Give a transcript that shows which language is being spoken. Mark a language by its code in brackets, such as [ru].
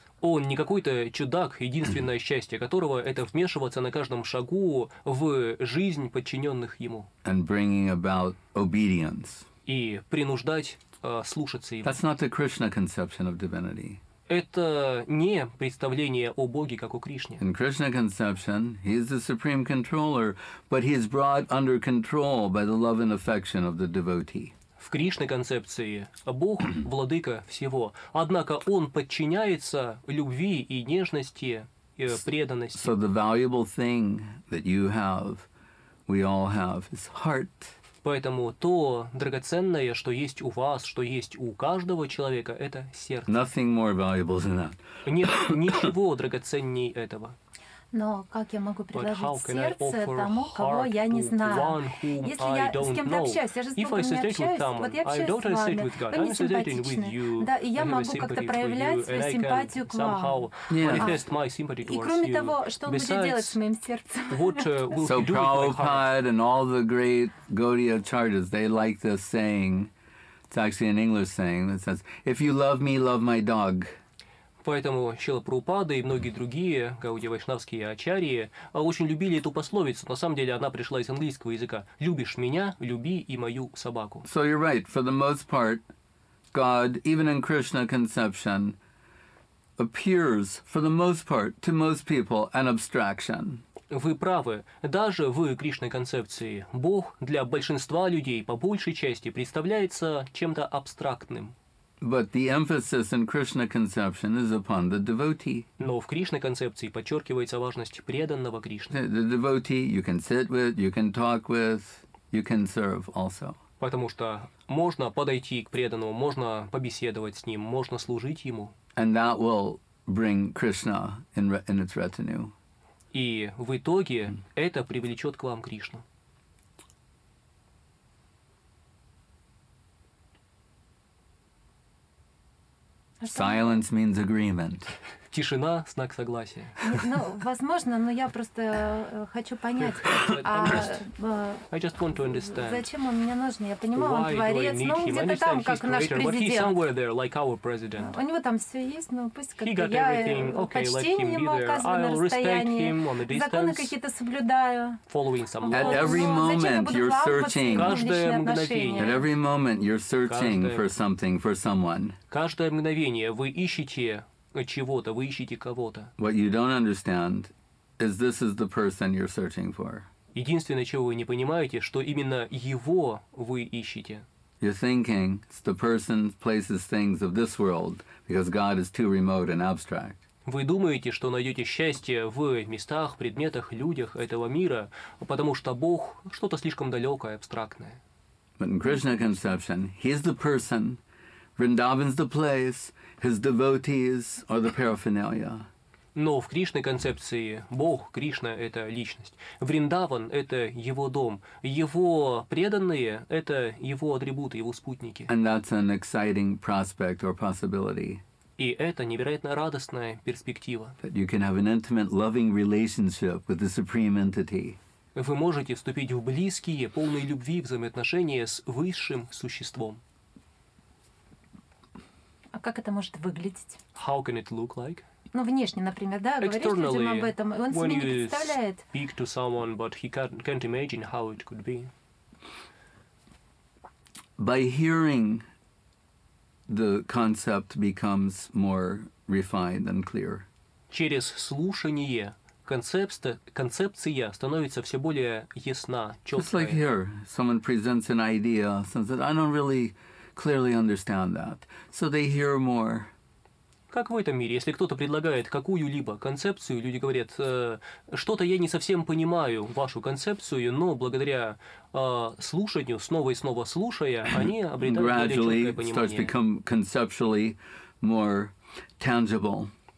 [ru] Он не какой-то чудак, единственное счастье которого — это вмешиваться на каждом шагу в жизнь подчиненных ему. [en] And bringing about obedience. [ru] И принуждать слушаться его. [en] That's not the Krishna conception of divinity. [ru] Это не представление о Боге, как о Кришне. [en] In Krishna conception, he is the supreme controller, but he is brought under control by the love and affection of the devotee. [ru] В Кришне концепции Бог владыка всего, однако он подчиняется любви и нежности и преданности. [en] So the valuable thing that you have, we all have, is heart. [ru] Поэтому то драгоценное, что есть у вас, что есть у каждого человека, это сердце. [en] Nothing more valuable than that. [ru] Нет ничего драгоценней этого. Но как я могу предложить сердце тому, кого я не знаю? Если я с кем-то общаюсь, я же с Богом не общаюсь. Вот я общаюсь с вами, вы не симпатичны. Да, и я могу как-то проявлять свою симпатию к вам. И кроме того, что он будет делать с моим сердцем? [en] So Prabhupada and all the great Gaudiya Acharyas, they like this saying. It's actually an English saying that says, "If you love me, love my dog." [ru] Поэтому Шрила Прабхупада и многие другие гауди вайшнавские ачарьи очень любили эту пословицу. На самом деле она пришла из английского языка. «Любишь меня, люби и мою собаку». [en] So you're right. For the most part, God, even in Krishna conception, appears, for the most part, to most people, an abstraction. [ru] Вы правы. Даже в Кришной концепции Бог для большинства людей по большей части представляется чем-то абстрактным. [en] But the emphasis in Krishna conception is upon the devotee. [ru] Но в Кришна концепции подчеркивается важность преданного Кришне. [en] The devotee you can sit with, you can talk with, you can serve also. [ru] Потому что можно подойти к преданному, можно побеседовать с ним, можно служить ему. [en] And that will bring Krishna in its retinue. [ru] И в итоге это привлечет к вам Кришну. [en] Silence means agreement. [ru] Тишина — знак согласия. Ну, возможно, но я просто хочу понять, зачем он мне нужен? Я понимаю, он творец, но он где-то там, как наш президент. У него там все есть, но пусть как-то я почтение ему оказываю на расстоянии, законы какие-то соблюдаю. Но зачем я буду лампаться на личные отношения? [en] At every moment you're searching for something, for someone. [ru] Каждое мгновение вы ищете чего-то, вы ищете кого-то. [en] What you don't understand is this is the person you're searching for. [ru] Единственное, чего вы не понимаете, что именно его вы ищете. [en] You're thinking it's the person, places, things of this world, because God is too remote and abstract. [ru] Вы думаете, что найдете счастье в местах, предметах, людях этого мира, потому что Бог что-то слишком далекое, абстрактное. [en] But in Krishna conception, he's the person, Vrindavan's the place, his devotees are the paraphernalia. [ru] Но в Кришной концепции Бог, Кришна — это личность. Вриндаван — это его дом. Его преданные — это его атрибуты, его спутники. [en] And that's an exciting prospect or possibility. [ru] И это невероятно радостная перспектива. [en] That you can have an intimate, loving relationship with the supreme entity. [ru] Вы можете вступить в близкие, полные любви взаимоотношения с высшим существом. А как это может выглядеть? [en] How can it look like? [ru] Ну, внешне, например, да, говоришь людям об этом, он себе не представляет. [en] Speak to someone, but he can't imagine how it could be. By hearing, the concept becomes more refined and clear. [ru] Через слушание концепция становится все более ясна, чёткая. [en] It's like here, someone presents an idea, someone says, I don't really clearly understand that. So they hear more. [ru] Как в этом мире, если кто-то предлагает какую-либо концепцию, люди говорят, что-то я не совсем понимаю вашу концепцию, но благодаря слушанию, снова и снова слушая, они обретают [en] gradually [ru] более четкое понимание. [en] Starts become conceptually more tangible.